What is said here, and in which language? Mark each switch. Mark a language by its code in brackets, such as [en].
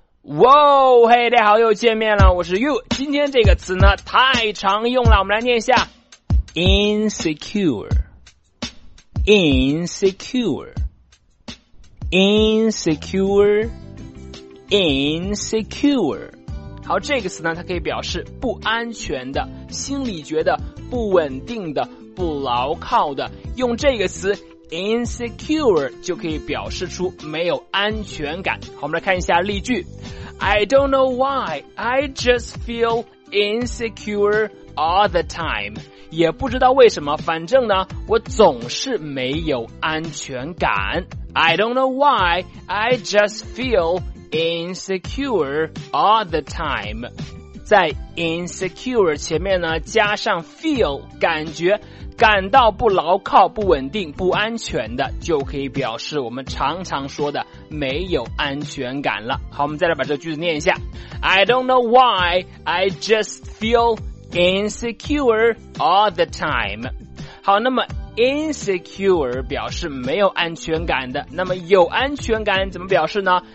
[zh] 哇哦，嘿，大家好，又见面了，我是 You。今天这个词呢太常用了，我们来念一下 Insecure Insecure Insecure Insecure。好，这个词呢它可以表示不安全的，心里觉得不稳定的，不牢靠的，用这个词Insecure 就可以表示出没有安全感。好，我们来看一下例句。 [en] I don't know why I just feel insecure all the time。 [zh] 也不知道为什么，反正呢我总是没有安全感。 [en] I don't know why I just feel insecure all the time。 [zh] 在 insecure 前面呢加上 feel 感觉，感到不牢靠、不稳定、不安全的，就可以表示我们常常说的没有安全感了。好，我们再来把这句子念一下。 [en] I don't know why I just feel insecure all the time。 [zh] 好，那么 insecure 表示没有安全感的，那么有安全感怎么表示呢？